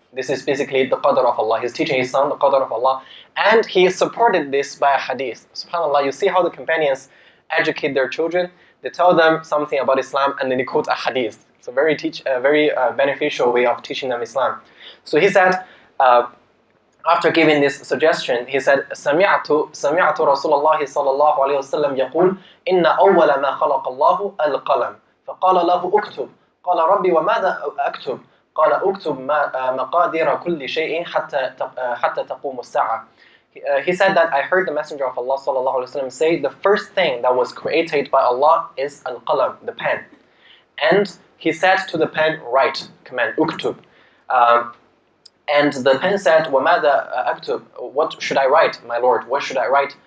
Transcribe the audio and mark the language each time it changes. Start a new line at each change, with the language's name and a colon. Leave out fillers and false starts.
English: This is basically the Qadr of Allah. He's teaching his son the Qadr of Allah. And he supported this by a hadith. SubhanAllah, you see how the companions educate their children? They tell them something about Islam and then they quote a hadith. It's a very beneficial way of teaching them Islam. So he said, after giving this suggestion, he said,
Arabic: سَمِعْتُ رَسُولَ اللَّهِ صَلَى اللَّهُ عَلَيْهُ وَسَلَّمْ يَقُولُ إِنَّ أَوَّلَ مَا خَلَقَ اللَّهُ الْقَلَمْ فَقَالَ لَهُ أُكْتُبْ قَالَ رَبِّ وَمَاذَا أَكْتُبْ قال أكتب ما مقادير كل شيء حتى تقوم الساعة.
English: He said that I heard the Messenger of Allah sallallahu alaihi wasallam say the first thing that was created by Allah is al-qalam, the pen, and he said to the pen, write, command أكتب, and the pen said
Arabic: وماذا أكتب,
English: what should I write, my Lord, what should I write?